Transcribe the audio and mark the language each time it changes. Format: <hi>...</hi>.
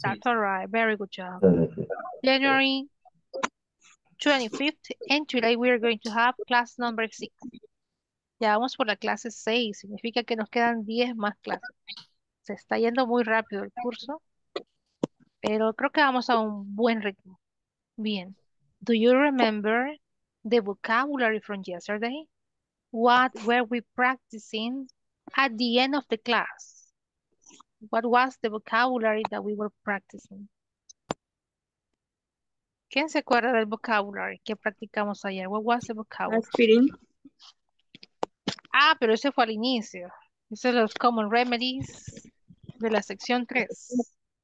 <en>That's all right. Very good job. January 25th, and today we are going to have class number 6.</en> <es>Ya vamos por la clase 6, significa que nos quedan 10 más clases. Se está yendo muy rápido el curso, pero creo que vamos a un buen ritmo.</es> <en>Bien. Do you remember the vocabulary from yesterday? What were we practicing at the end of the class? What was the vocabulary that we were practicing?</en> <es>¿Quién se acuerda del vocabulary que practicamos ayer?</es> <en>What was the vocabulary? Aspirin.</en> <es>Ah, pero ese fue al inicio. Esos son los</es> <en>common remedies</en> <es>de la sección 3.</es>